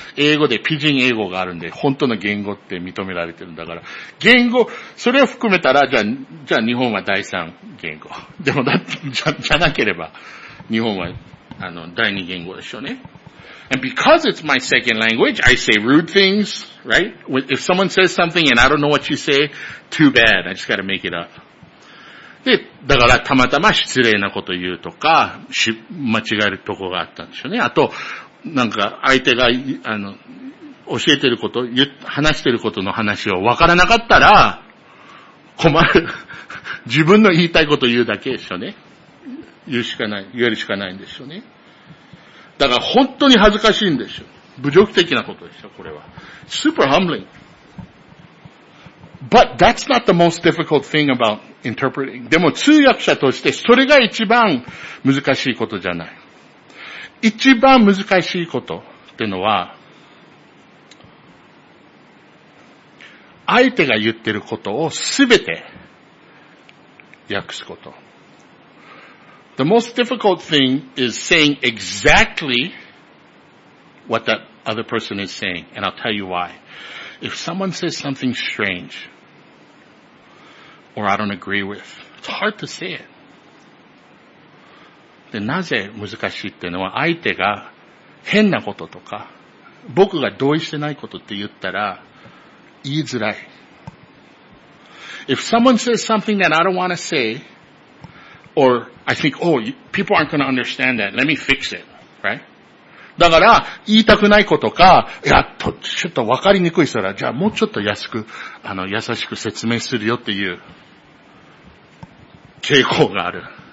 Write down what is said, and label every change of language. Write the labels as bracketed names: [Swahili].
[Japanese] 英語で Pidgin 英語があるんで、本当の言語って認められてるんだから。言語、それを含めたら、じゃあ日本は第三言語。でもだって、じゃなければ、日本は、第二言語でしょうね。 [English] And because it's my second language, I say rude things, right? If someone says something and I don't know what you say, too bad. I just gotta make it up. [Japanese] で、だからたまたま失礼なこと言うとか、間違えるとこがあったんでしょうね。あと、なんか相手が、教えてること、話してることの話を分からなかったら、困る。自分の言いたいこと言うだけでしょうね。言うしかない、言えるしかないんでしょうね。だから本当に恥ずかしいんでしょう。侮辱的なことでしょ、これは。 [English] Super humbling. But that's not the most difficult thing about interpreting. [Japanese] でも通訳者としてそれが一番難しいことじゃない。一番難しいことってのは、相手が言ってることをすべて訳すこと。 [English] The most difficult thing is saying exactly what that other person is saying, and I'll tell you why. If someone says something strange, or I don't agree with, it's hard to say it. [Japanese] で、なぜ難しいっていうのは、相手が変なこととか、僕が同意してないことって言ったら、言いづらい。 [English] If someone says something that I don't want to say,Or, I think, oh, people aren't going to understand that. Let me fix it. Right? [Japanese] だから、言いたくないことか、いや、ちょっと分かりにくいしたら、じゃあもうちょっと優しく説明するよっていう傾向がある。